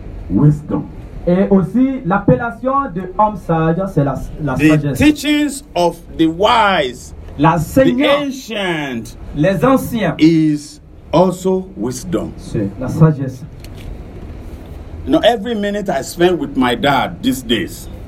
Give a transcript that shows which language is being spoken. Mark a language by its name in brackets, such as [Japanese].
[English] Wisdom. [French] Et aussi l'appellation de homme sage, c'est la [English] the [French] sagesse. [English] The teachings of the wise, [French] la [English] the ancient, [French] les anciens, [English] is also wisdom. [French] C'est la sagesse. [English] You know, every minute I spend with my dad these days.